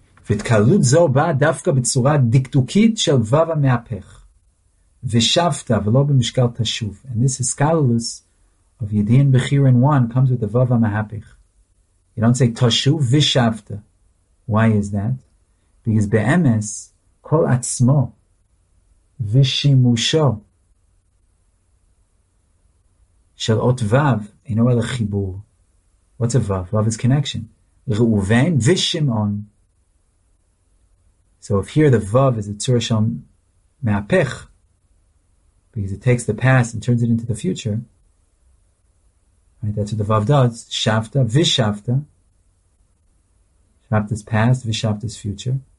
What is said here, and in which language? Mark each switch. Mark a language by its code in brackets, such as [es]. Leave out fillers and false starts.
[he] והתקהלות זו באה דווקא בצורה דקדוקית של וו המהפך. ושבת, ולא במשקל תשוב. [en] And this is scalulus of Yedin Bechirin 1 comes with the וו המהפך. You don't say תשוב ושבת. Why is that? Because [he] באמס, כל עצמו ושימושו של אות וו אינו אלא חיבור. [en] What's a וו? וו is connection. ראובן ושמעון. So if here the Vav is a Tzura Shel Me'apech, because it takes the past and turns it into the future, right? That's what the Vav does. Shavta, Vishavta. Shavta's past, Vishavta's future.